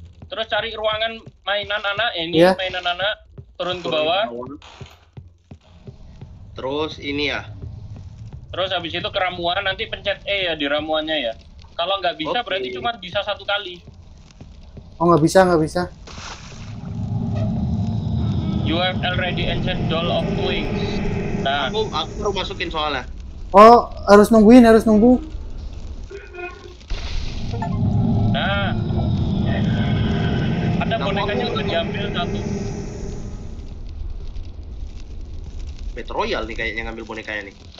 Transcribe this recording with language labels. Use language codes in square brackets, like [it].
[id] Terus cari ruangan mainan anak. Ini ya. Mainan anak. Turun ke bawah. Terus ini ya. Terus habis itu ke ramuan, nanti pencet E ya di ramuannya ya. Kalau nggak bisa berarti cuma bisa satu kali. Oh, nggak bisa. [en] You have already entered doll of wings. [id] Nah, aku baru masukin soalnya. Oh, harus nunggu. bonekanya udah diambil satu. Battle Royale nih kayaknya ngambil bonekanya nih.